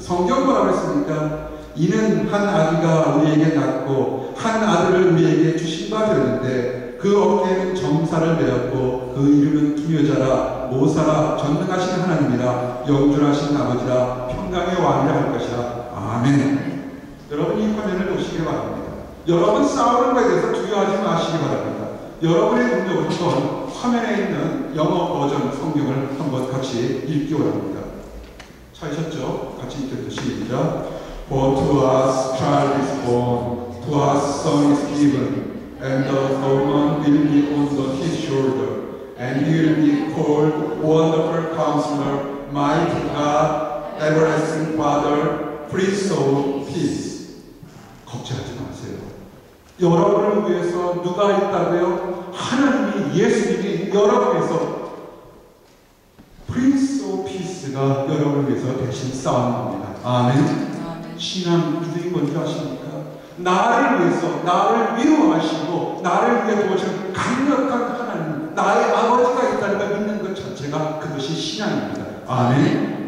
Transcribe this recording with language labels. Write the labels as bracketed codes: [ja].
[ko] 성경 뭐라고 했습니까? 이는 한 아기가 우리에게 낳고 한 아들을 우리에게 주신 바 되었는데 그 어깨에는 정사를 메었고 그 이름은 기묘자라 모사라 전능하신 하나님이라 영존하신 아버지라 평강의 왕이라 할 것이라. 아멘. 여러분 이 화면을 보시기 바랍니다. 여러분 싸우는 것에 대해서 두려워하지 마시기 바랍니다. 여러분의 능력을 한번 화면에 있는 영어 버전 성경을 한번 같이 읽기 원합니다. 찾으셨죠? 같이 읽듯이 시작. [en] For to us a child is born, to us a son is given, and the government will be on his shoulder, and he will be called Wonderful Counselor, Mighty God, Everlasting Father, Prince of Peace. [ko] 걱정하지 마세요. 여러분을 위해서 누가 있다고요? 하나님이 예수님이 여러분에서 Prince of Peace가 여러분을 위해서 대신 싸웁니다. 아멘. 신앙 믿음이 뭔지 아십니까? 나를 위해서 나를 위로하시고 나를 위해 도우신 강력한 하나님, 나의 아버지가 있다는 걸 믿는 것 자체가 그것이 신앙입니다. 아멘.